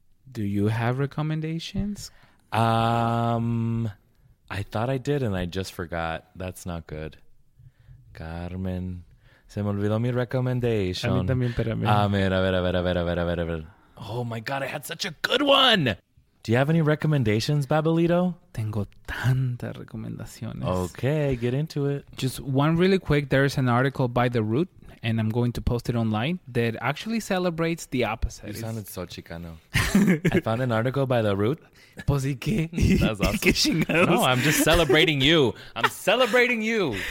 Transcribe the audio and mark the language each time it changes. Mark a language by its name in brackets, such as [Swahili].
[English] Do you have recommendations? I thought I did and I just forgot. That's not good. [Spanish] Carmen, se me olvidó mi recomendación. A mí también, pero a ver. [English] Oh my God, I had such a good one. Do you have any recommendations, Babelito? [Spanish] Tengo tantas recomendaciones. [English] Okay, get into it. Just one really quick. There is an article by The Root, and I'm going to post it online, that actually celebrates the opposite. You sounded so Chicano. I found an article by The Root. [Spanish] Pues y qué? [English] That's awesome. No, I'm just celebrating you. I'm celebrating you.